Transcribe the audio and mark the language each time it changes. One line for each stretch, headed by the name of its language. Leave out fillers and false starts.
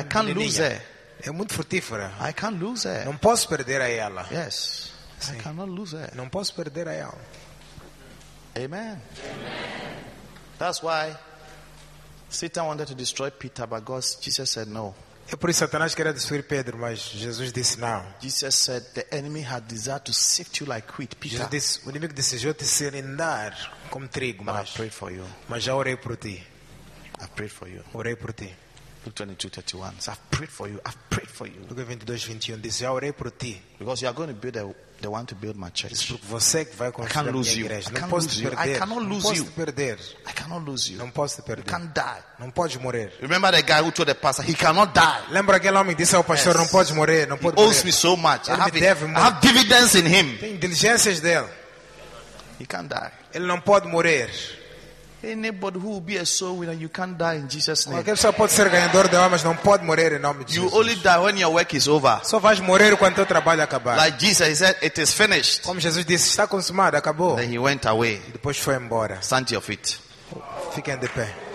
English: I can't
Portuguese: menina.
English: Lose her.
Portuguese: É muito frutífera.
English: I can't lose her.
Portuguese: Não posso perder a ela.
English: Yes. Sim. I cannot lose her.
Portuguese: Não posso perder a ela. Amen. Amen.
English: That's why Satan wanted to destroy Peter, but God, Jesus said no.
Portuguese: É por isso que Satanás queria destruir Pedro, mas Jesus disse não.
English: Jesus said the enemy had desire to sift you like wheat, Peter.
Portuguese: Jesus disse, o inimigo desejou te serenar como trigo, mas,
English: I prayed for you.
Portuguese: Mas já orei por ti.
English: I prayed for you.
Portuguese: Orei por ti.
English: Luke 22:31. I've prayed for you. I've prayed for you.
Portuguese: Luke 22:21. Disse, já orei por ti.
English: Because you are going to build the one to build my church.
Portuguese: Porque você que vai construir a minha igreja.
English: I can't lose you.
Portuguese: Não posso te perder.
English: I cannot lose you.
Portuguese: Não posso te perder.
English: I cannot lose you. You can't die.
Portuguese: Não pode morrer.
English: Remember the guy who told the pastor he cannot die.
Portuguese: Lembra aquele homem disse ao pastor não pode morrer, não pode morrer.
English: He owes me so much.
Portuguese: Ele me deve muito.
English: I have dividends in him.
Portuguese: Tem diligências dele.
English: He can't die.
Portuguese: Ele não pode morrer.
English: Anybody who will be a soul winner, you can't die in Jesus' name.
Portuguese: Qualquer pessoa pode ser ganhador de almas, não pode morrer em nome de Jesus.
English: You only die when your work is over.
Portuguese: Só vais morrer quando teu trabalho acabar.
English: Like Jesus, he said, it is finished.
Portuguese: Como Jesus disse, está consumado, acabou.
English: Then he went away.
Portuguese: E depois foi embora.
English: Stand to your feet.
Portuguese: Fiquem de pé.